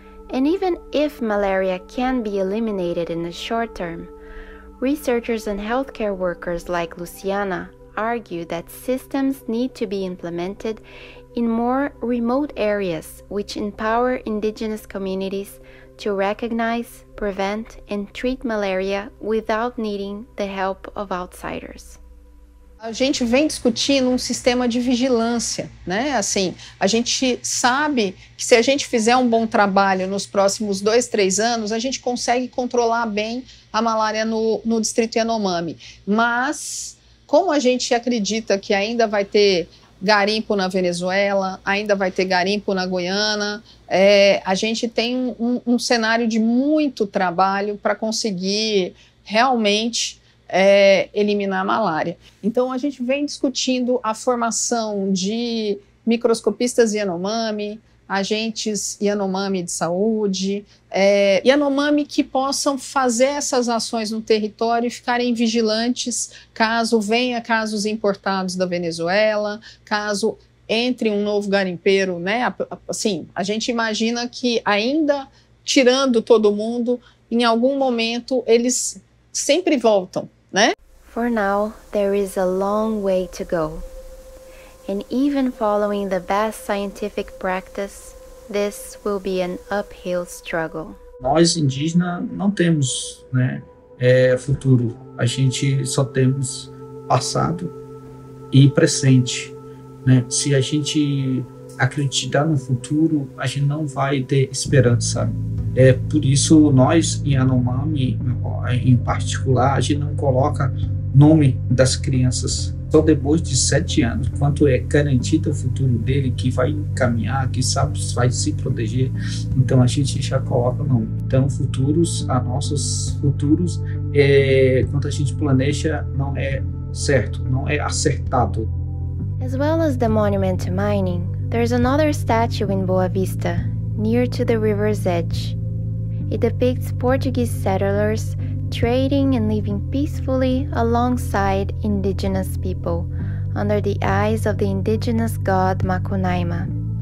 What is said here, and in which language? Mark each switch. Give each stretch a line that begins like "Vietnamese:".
English: And even if malaria can be eliminated in the short term, researchers and healthcare workers like Luciana argue that systems need to be implemented in more remote areas which empower indigenous communities to recognize, prevent, and treat malaria without needing the help of outsiders.
Portuguese: A gente vem discutindo um sistema de vigilância, né? Assim, a gente sabe que se a gente fizer um bom trabalho nos próximos 2-3 anos, a gente consegue controlar bem a malária no distrito Yanomami. Mas, como a gente acredita que ainda vai ter garimpo na Venezuela, ainda vai ter garimpo na Guiana, a gente tem um cenário de muito trabalho para conseguir realmente eliminar a malária. Então, a gente vem discutindo a formação de microscopistas Yanomami, agentes Yanomami de saúde, Yanomami que possam fazer essas ações no território e ficarem vigilantes caso venha casos importados da Venezuela, caso entre um novo garimpeiro, né? Assim, a gente imagina que ainda tirando todo mundo, em algum momento eles sempre voltam, né?
English: For now, there is a long way to go. And even following the best scientific practice, this will be an uphill struggle.
Portuguese: Nós, indígenas, não temos, né, futuro. A gente só temos passado e presente, né? Se a gente acreditar no futuro, a gente não vai ter esperança. Por isso, nós, em Yanomami, em particular, a gente não coloca nome das crianças. Só depois de 7 anos, quanto é garantido o futuro dele, que vai caminhar, que sabe, vai se proteger, então a gente já coloca o nome. Então, nossos futuros, quando a gente planeja, não é certo, não é acertado.
English: As well as the monument to mining, there's another statue in Boa Vista, near to the river's edge. It depicts Portuguese settlers trading and living peacefully alongside indigenous people, under the eyes of the indigenous god Macunaíma.